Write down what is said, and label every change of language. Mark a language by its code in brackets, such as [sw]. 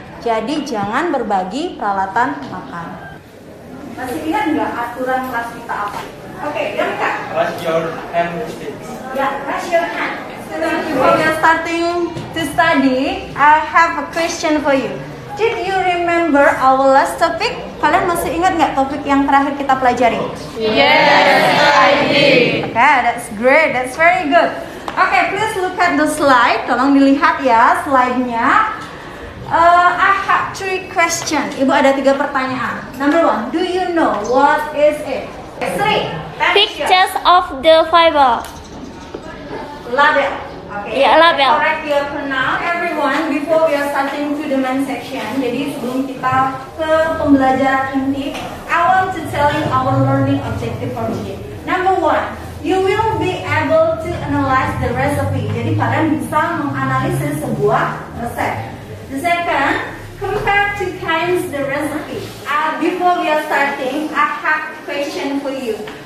[id] Jadi jangan berbagi peralatan makan. Masih ingat nggak aturan kelas kita apa? Okay, [en] wash your hand. Yeah, wash your hand. So, before we are starting to study, I have a question for you. Did you remember our last topic? [id] Kalian masih ingat nggak topik yang terakhir kita pelajari? [en] Yes, I did. Okay, that's great. That's very good. Okay, please look at the slide. [id] Tolong dilihat ya slide-nya. [en] I have three questions. [id] Ibu ada tiga pertanyaan. [en] Number one, do you know what is it? Three. Pictures, pictures of the Bible. Label. Okay. Yeah, label. All right, your pronoun. Everyone, before we are starting to the main section, [id] jadi sebelum kita ke pembelajaran inti, [en] I want to tell you our learning objective for today. Number one, you will be able to analyze the recipe. [id] Jadi kalian bisa menganalisis sebuah resep. [en] The second, compare two times the recipe. Before we are starting, I have a question for you.